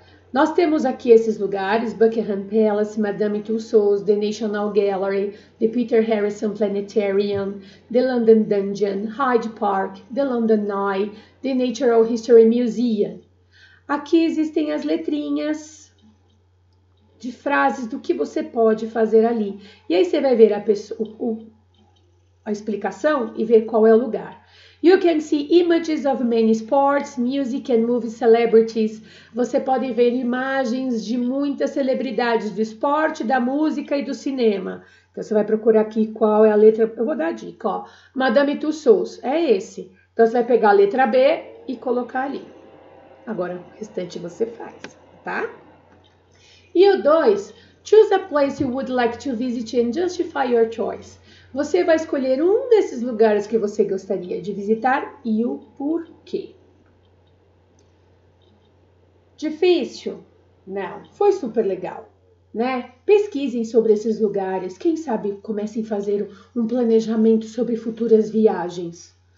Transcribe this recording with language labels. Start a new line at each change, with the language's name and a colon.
Portuguese: Nós temos aqui esses lugares, Buckingham Palace, Madame Tussauds, The National Gallery, The Peter Harrison Planetarium, The London Dungeon, Hyde Park, The London Eye, The Natural History Museum. Aqui existem as letrinhas de frases do que você pode fazer ali. E aí você vai ver a explicação e ver qual é o lugar.
English: You can see images of many sports, music and movie celebrities.
Portuguese: Você pode ver imagens de muitas celebridades do esporte, da música e do cinema. Então, você vai procurar aqui qual é a letra. Eu vou dar a dica, ó. Madame Tussauds, é esse. Então, você vai pegar a letra B e colocar ali. Agora, o restante você faz, tá? E o 2,
English: choose a place you would like to visit and justify your choice.
Portuguese: Você vai escolher um desses lugares que você gostaria de visitar e o porquê. Difícil? Não. Foi super legal, né? Pesquisem sobre esses lugares. Quem sabe comecem a fazer um planejamento sobre futuras viagens.